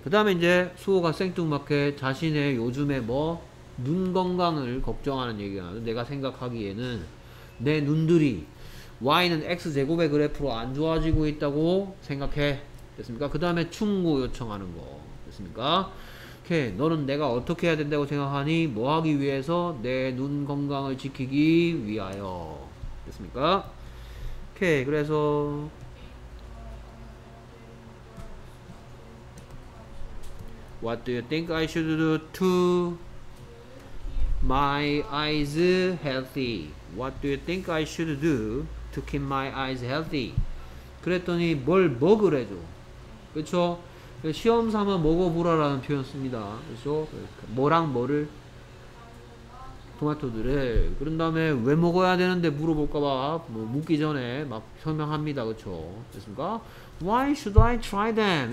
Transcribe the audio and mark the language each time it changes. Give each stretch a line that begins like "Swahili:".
Korean: 그 다음에 이제 수호가 생뚱맞게 자신의 요즘에 뭐 눈 건강을 걱정하는 얘기가 나는데 내가 생각하기에는 내 눈들이 Y는 X제곱의 그래프로 안 좋아지고 있다고 생각해. 됐습니까? 그 다음에 충고 요청하는 거. 됐습니까? 오케이. 너는 내가 어떻게 해야 된다고 생각하니? 뭐 하기 위해서? 내 눈 건강을 지키기 위하여. 됐습니까? 오케이. 그래서
English: What do you think I should do to My eyes healthy. What do you think I should do to keep my eyes healthy?
Korean: 그랬더니 뭘 먹으래죠. 그쵸? 시험 삼아 먹어보라라는 표현 씁니다. 그래서 뭐랑 뭐를? 토마토들을. 그런 다음에 왜 먹어야 되는데 물어볼까봐 뭐 묻기 전에 막 설명합니다. 그쵸? 됐습니까?
English: Why should I try them?